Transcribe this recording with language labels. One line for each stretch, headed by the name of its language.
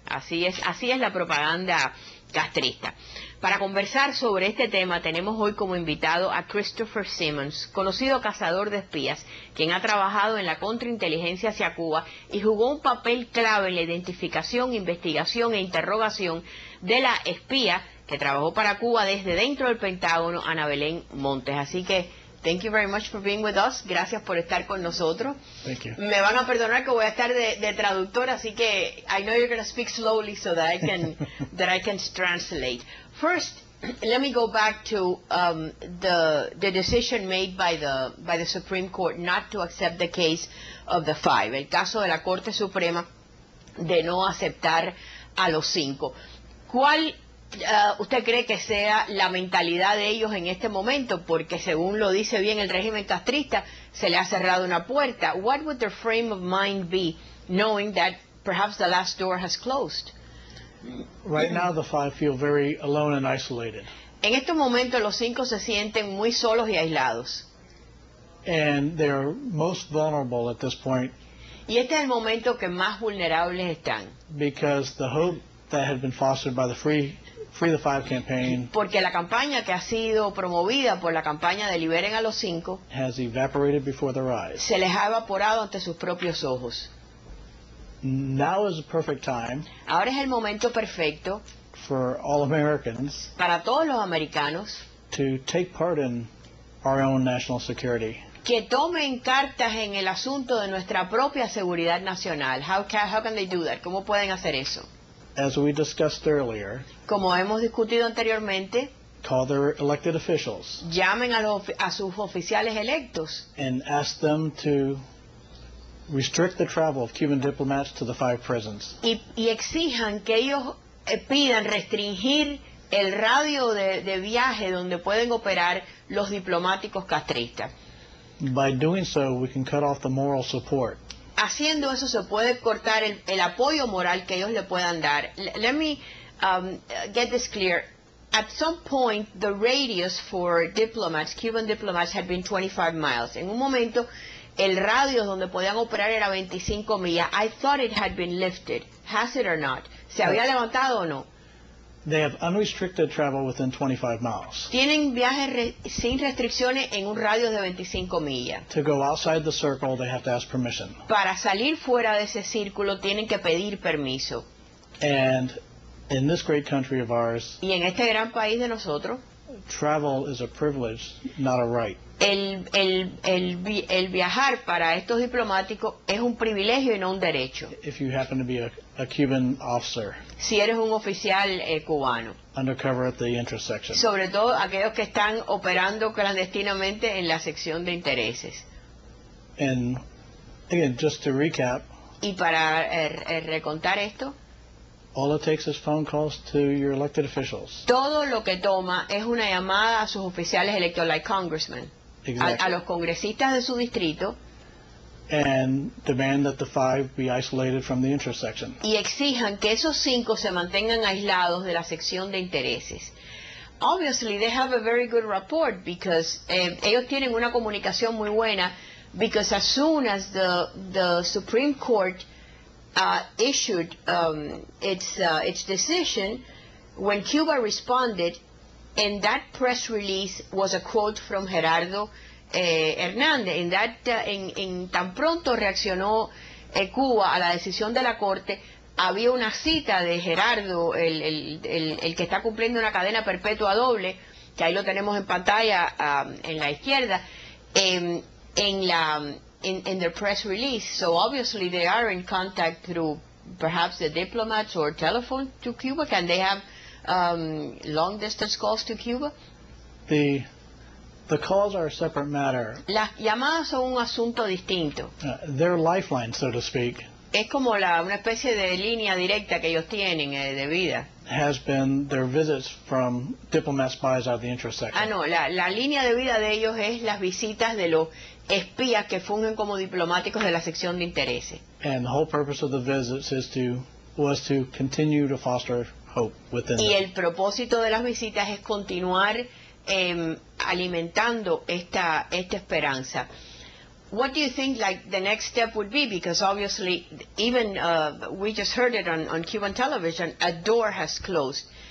Spanish: Así es la propaganda castrista. Para conversar sobre este tema tenemos hoy como invitado a Christopher Simmons, conocido cazador de espías, quien ha trabajado en la contrainteligencia hacia Cuba y jugó un papel clave en la identificación, investigación e interrogación de la espía que trabajó para Cuba desde dentro del Pentágono, Ana Belén Montes. Así que,
English: thank you very much for being with us.
Spanish: Gracias por estar con nosotros.
English: Thank you.
Spanish: Me van a perdonar que voy a estar de traductor, así que
English: I know you're going to speak slowly so that I can translate. First, let me go back to the decision made by the Supreme Court not to accept the case of the five.
Spanish: El caso de la Corte Suprema de no aceptar a los cinco. ¿Cuál usted cree que sea la mentalidad de ellos en este momento? Porque según lo dice bien el régimen castrista, se le ha cerrado una puerta.
English: What would their frame of mind be, knowing that perhaps the last door has closed? Right now, the five feel very alone and isolated.
Spanish: En este momento, los cinco se sienten muy solos y aislados.
English: And they're most vulnerable at this point.
Spanish: Y este es el momento que más vulnerables están.
English: Because the hope that had been fostered by the Free the Five campaign,
Spanish: porque la campaña que ha sido promovida por la campaña de Liberen a los Cinco,
English: has evaporated before their eyes.
Spanish: Se les ha evaporado ante sus propios ojos.
English: Now is the perfect time.
Spanish: Ahora es el momento perfecto
English: for all Americans,
Spanish: para todos los americanos,
English: to take part in our own national security.
Spanish: Que tomen cartas en el asunto de nuestra propia seguridad nacional.
English: How can they do that?
Spanish: ¿Cómo pueden hacer eso?
English: As we discussed earlier,
Spanish: como hemos discutido anteriormente,
English: call their elected officials,
Spanish: llamen a sus oficiales electos,
English: and ask them to restrict the travel of Cuban diplomats to the five prisons.
Spanish: Y exijan que ellos pidan restringir el radio de viaje donde pueden operar los diplomáticos castristas.
English: By doing so, we can cut off the moral support.
Spanish: Haciendo eso se puede cortar el apoyo moral que ellos le puedan dar.
English: Let me get this clear. At some point, the radius for diplomats, Cuban diplomats, had been 25 miles.
Spanish: En un momento, el radio donde podían operar era 25 millas.
English: I thought it had been lifted. Has it or not?
Spanish: ¿Se había levantado o no?
English: They have unrestricted travel within 25 miles.
Spanish: Tienen viajes sin restricciones en un radio de 25 millas.
English: To go outside the circle, they have to ask permission.
Spanish: Para salir fuera de ese círculo, tienen que pedir permiso.
English: And in this great country of ours,
Spanish: y en este gran país de nosotros,
English: travel is a privilege, not a right.
Spanish: El viajar para estos diplomáticos es un privilegio y no un derecho.
English: If you happen to be a Cuban officer,
Spanish: si eres un oficial cubano,
English: undercover at the intersection,
Spanish: sobre todo aquellos que están operando clandestinamente en la sección de intereses.
English: And again, just to recap,
Spanish: y para recontar esto,
English: all it takes is phone calls to your elected officials.
Spanish: Todo lo que toma es una llamada a sus oficiales electos,
English: like congressmen. Exactly.
Spanish: A los congresistas de su distrito.
English: And demand that the five be isolated from the intersection.
Spanish: Y exijan que esos cinco se mantengan aislados de la sección de intereses.
English: Obviously, they have a very good rapport because
Spanish: ellos tienen una comunicación muy buena
English: because as soon as the Supreme Court issued its decision, when Cuba responded, and that press release was a quote from Gerardo Hernández. In that, in
Spanish: tan pronto reaccionó Cuba a la decisión de la corte, había una cita de Gerardo, el que está cumpliendo una cadena perpetua doble, que ahí lo tenemos en pantalla en la izquierda,
English: in their press release. So obviously they are in contact through perhaps the diplomats or telephone to Cuba. Can they have long distance calls to Cuba? The The calls are a separate matter.
Spanish: Las llamadas son un asunto distinto.
English: They're lifeline, so to speak.
Spanish: Es como una especie de línea directa que ellos tienen de vida.
English: Has been their visits from diplomat spies out of the interest sector.
Spanish: Ah, no, la línea de vida de ellos es las visitas de los espías que fungen como diplomáticos de la sección de intereses.
English: And the whole purpose of the visits was to continue to foster hope within them.
Spanish: Y el propósito de las visitas es continuar alimentando esta esperanza.
English: What do you think, like, the next step would be? Because obviously, even we just heard it on Cuban television, a door has closed.